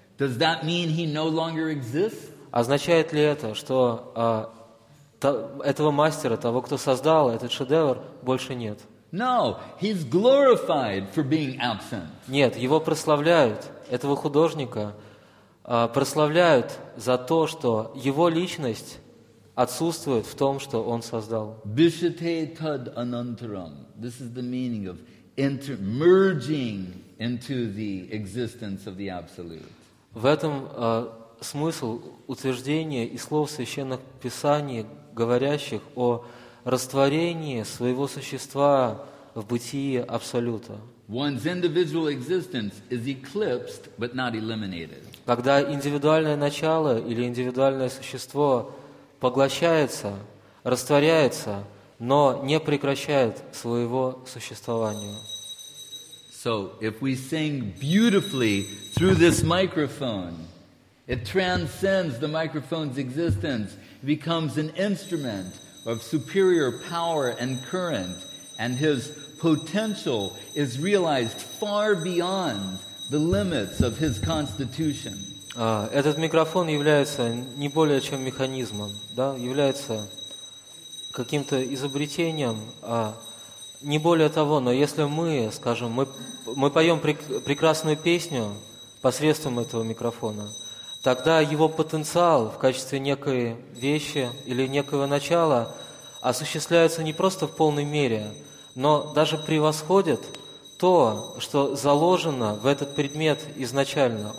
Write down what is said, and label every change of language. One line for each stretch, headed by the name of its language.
English: Does that mean he no longer exists?
Russian: Означает ли это, что этого мастера, того, кто создал этот шедевр, больше нет?
English: No, he's glorified for being absent.
Russian: Нет, его прославляют, этого художника, прославляют за то, что его личность отсутствует в том, что он создал.
Sanskrit: Bishate tad anantaram.
English: This is the meaning of merging into the existence of the absolute.
Russian: В этом смысл утверждения и слов священных писаний, говорящих о растворении своего существа в бытии Абсолюта.
English: One's individual existence is eclipsed, but not eliminated.
Russian: Когда индивидуальное начало или индивидуальное существо поглощается, растворяется, но не прекращает своего существования.
English: So, if we sing beautifully through this microphone, it transcends the microphone's existence, becomes an instrument of superior power and current, and his potential is realized far beyond the limits of his constitution.
Russian: Этот микрофон является не более чем механизмом, да? Является каким-то изобретением, не более того, но если мы, скажем, мы поем прекрасную песню посредством этого микрофона, тогда его потенциал в качестве некой вещи или некого начала осуществляется не просто в полной мере, но даже превосходит то, что заложено в этот предмет изначально.